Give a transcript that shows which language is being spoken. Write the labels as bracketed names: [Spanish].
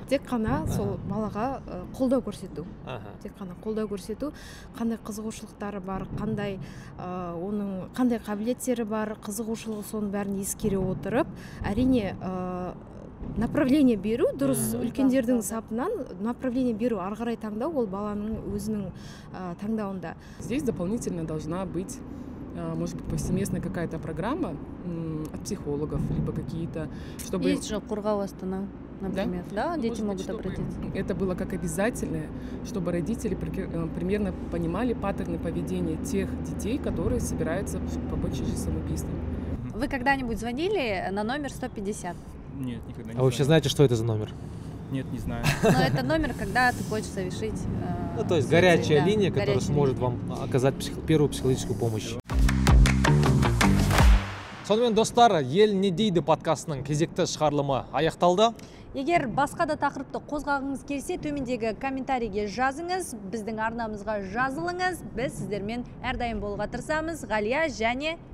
[Kazakh] Тек қана сол балаға қолдау көрсету. Тек қана қолдау көрсету, қандай қызығушылықтары бар, қандай оның қандай қабілеттері бар, қызығушылығы соның бәрін ескере отырып, әрине, [Russian] направление беру, [Kazakh] дұрыс үлкендердің сапынан направление беру, ары қарай таңдау ол баланың өзінің таңдауында. [Russian] Здесь дополнительно должна быть, может быть, повсеместная какая-то программа от психологов, либо какие-то, чтобы... Есть же қорғау астана, например, да? Да, дети могут обратиться. Это было как обязательное, чтобы родители примерно понимали паттерны поведения тех детей, которые собираются покончить жизнь самоубийством. Вы когда-нибудь звонили на номер 150? Нет, никогда не знаю. А вы вообще знаете, что это за номер? Нет, не знаю. Но это номер, когда ты хочешь совершить... Ну, то есть горячая линия, которая сможет вам оказать первую психологическую помощь. [Kazakh] Сонымен, достар, «Ел не дейді» подкастының кезекті шығарылымы аяқталды. Егер басқа да тақырыпты қозғағыңыз келсе, төмендегі комментарийге жазыңыз, біздің арнамызға жазылыңыз, біз сіздермен әрдайым болуға тырысамыз. Ғалия және...